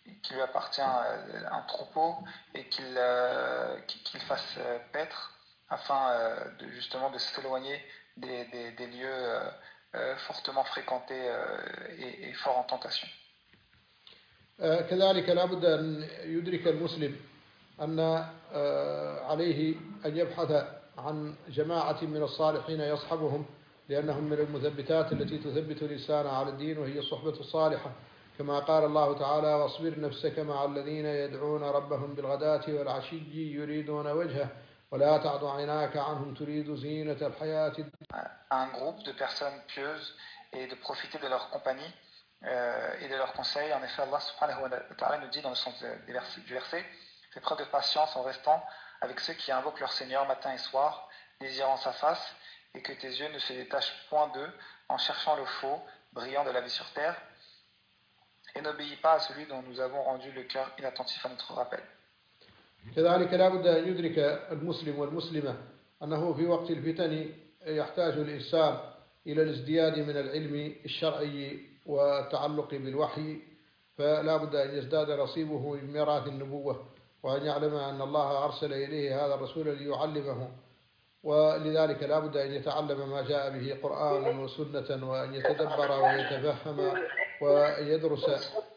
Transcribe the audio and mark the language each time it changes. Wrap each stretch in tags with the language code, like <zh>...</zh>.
<fr>lui appartient un troupeau et qu'il fasse paître afin de, justement de s'éloigner des lieux fortement fréquentés et fort en tentation.</fr> <ar>كذلك لا بد أن يدرك المسلم أن عليه أن يبحث عن جماعة من الصالحين يصحبهم لأنهم من المثبتات التي تثبت الإنسان على الدين وهي الصحبة الصالحة كما قال الله تعالى واصبر نفسك مع الذين يدعون ربهم بالغداة والعشي يريدون وجهه ولا تعد عيناك عنهم تريد زينة الحياة</ar> <fr>un groupe de personnes pieuses et de profiter de leur compagnie et de leurs conseils. En effet, Allah subhanahu wa ta'ala nous dit dans le sens du verset, fais preuve de patience en restant avec ceux qui invoquent leur Seigneur matin et soir, désirant sa face, et que tes yeux ne se détachent point d'eux en cherchant le faux brillant de la vie sur terre, et n'obéis pas à celui dont nous avons rendu le cœur inattentif à notre rappel.</fr> <ar>كذلك لا بد أن يدرك المسلم والمسلمة أنه في وقت الفتن يحتاج الإنسان إلى الازدياد من العلم الشرعي والتعلق بالوحي فلا بد أن يزداد نصيبه من ميراث النبوة وأن يعلم أن الله أرسل إليه هذا الرسول ليعلمه ولذلك لا بد أن يتعلم ما جاء به قرآنا وسنة وأن يتدبر ويتفهم ويدرس</ar>